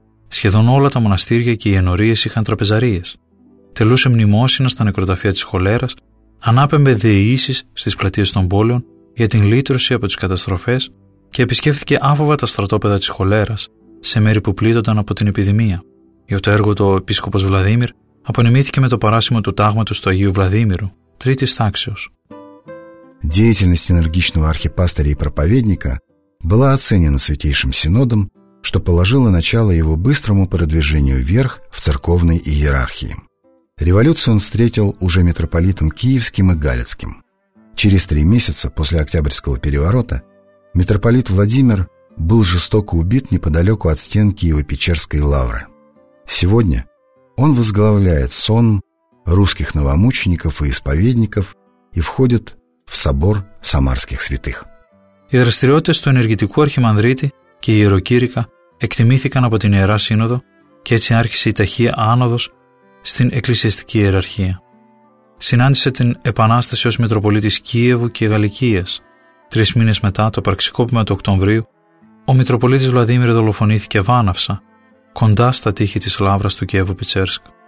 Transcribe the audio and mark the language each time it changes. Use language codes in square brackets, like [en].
[el] Σχεδόν όλα τα μοναστήρια και οι ενορίες είχαν τραπεζαρίες. Τελούσε μνημόσυνα στα νεκροταφεία της χολέρας, ανάπεμπε διαιήσεις στις πλατείες των πόλεων για την λύτρωση από τις καταστροφές και επισκέφθηκε άφοβα τα στρατόπεδα της χολέρας σε μέρη που πλήττονταν από την επιδημία. Για το έργο του ο επίσκοπος Βλαδίμιρ απονεμήθηκε με το παράσημο του τάγματος του Αγίου Βλαδίμηρου, τρίτης τάξεως. [ru] Деятельность энергичного архипастыря и проповедника была оценена Святейшим Синодом, что положило начало его быстрому продвижению вверх в церковной иерархии. Революцию он встретил уже митрополитом Киевским и Галицким. Через три месяца после Октябрьского переворота митрополит Владимир был жестоко убит неподалеку от стен Киево-Печерской лавры. Сегодня он возглавляет сон русских новомучеников и исповедников и входит в собор самарских святых. [el] Οι δραστηριότητες του ενεργητικού Αρχιμανδρίτη και η Ιεροκήρυκα εκτιμήθηκαν από την Ιερά Σύνοδο και έτσι άρχισε η ταχεία άνοδος στην εκκλησιαστική ιεραρχία. Συνάντησε την Επανάσταση ως Μητροπολίτης Κίεβου και Γαλλικίας. Τρεις μήνες μετά, το πραξικόπημα του Οκτωβρίου, ο Μητροπολίτης Βλαδίμιρ δολοφονήθηκε βάναυσα, κοντά στα τείχη της Λαύρας του Κίεβου-Πιτσέρσκ.